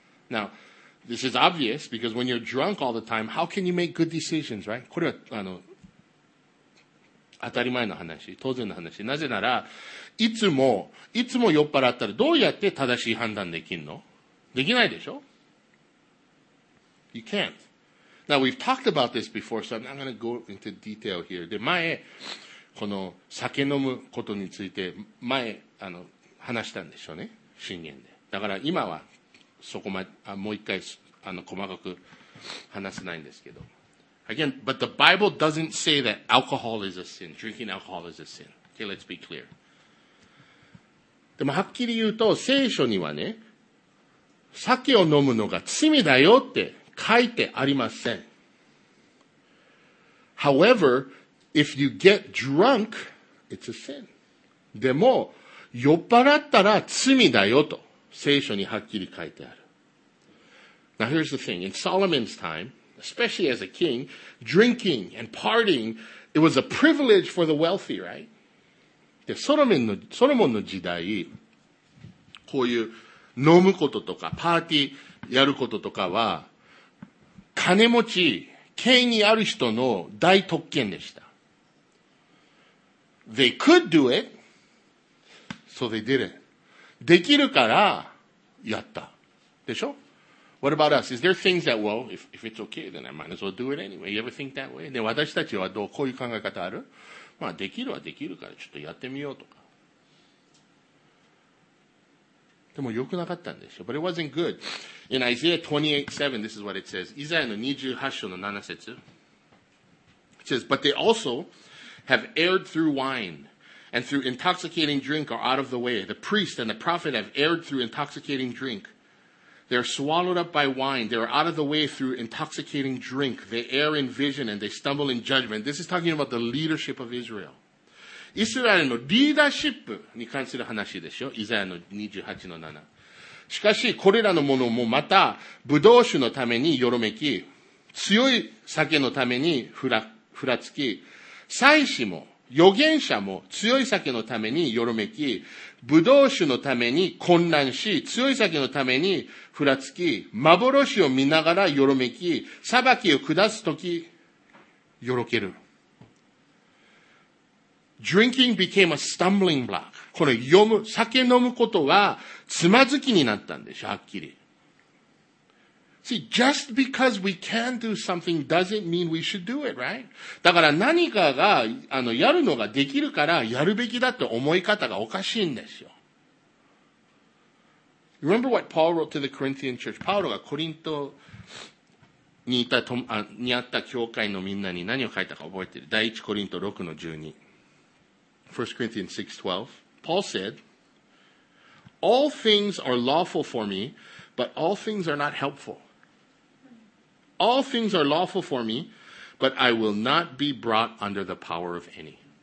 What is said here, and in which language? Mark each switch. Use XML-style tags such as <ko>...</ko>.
<en>Now, this is obvious because when you're drunk all the time, how can you make good decisions, right?</en> <ja>これは、当たり前の話、当然の話。なぜなら、いつも酔っ払ったらどうやって正しい判断できんの? できないでしょ?</ja> <en>You can't. Now we've talked about this before, so I'm not going to go into detail here.</en> <ja>で、前、この酒飲むことについて、前、話したんでしょうね。箴言で。だから今は、そこまで、もう一回、細かく話せないんですけど。</ja> <en>Again, but the Bible doesn't say that alcohol is a sin. Drinking alcohol is a sin. Okay, let's be clear.</en> <ja>でもはっきり言うと、聖書にはね、酒を飲むのが罪だよって書いてありません。</ja> <en>However, if you get drunk, it's a sin.</en> <ja>でも、酔っ払ったら罪だよと聖書にはっきり書いてある。</ja> <en>Now here's the thing. In Solomon's time,Especially as a king, drinking and partying, it was a privilege for the wealthy, right?</en> <ja>で、ソロモンの時代、こういう飲むこととか、パーティーやることとかは、金持ち、権威ある人の大特権でした。</ja> <en>They could do it, so they did it.</en> <ja>できるから、やった。でしょ?</ja> <en>What about us? Is there things that, well, if it's okay, then I might as well do it anyway. You ever think that way?</en> <ja>で、私たちはどう、こういう考え方ある?まあ、できるはできるから、ちょっとやってみようとか。でも、良くなかったんでしょ。</ja> <en>But it wasn't good. In Isaiah 28:7, this is what it says.</en> <ja>イザヤの28章の7節。</ja> <en>It says, But they also have erred through wine. And through intoxicating drink are out of the way. The priest and the prophet have erred through intoxicating drink. They are swallowed up by wine. They are out of the way through intoxicating drink. They err in vision and they stumble in judgment. This is talking about the leadership of Israel.</en> <ja>イスラエルのリーダーシップに関する話でしょ。イザヤの28の7。しかし、これらのものもまた、葡萄酒のためによろめき、強い酒のためにふらつき、祭司も、預言者も強い酒のためによろめき、葡萄酒のために混乱し、強い酒のためにふらつき、幻を見ながらよろめき、裁きを下すとき、よろける。</ja> <en>Drinking became a stumbling block.</en> <ja>これ酒飲むことはつまずきになったんでしょ、はっきり。</ja> <en>See, just because we can do something doesn't mean we should do it, right?</en> <ja>だから何かが、やるのができるから、やるべきだって思い方がおかしいんですよ。</ja> <en>Remember what Paul wrote to the Corinthian church?</en> <ja>パウロがコリントにいたと、あ、にあった教会のみんなに何を書いたか覚えてる。第1コリント6の12。</ja> <en>1 Corinthians 6:12. Paul said, all things are lawful for me, but all things are not helpful. All things are lawful for me, but I will not be brought under the power of any.</en>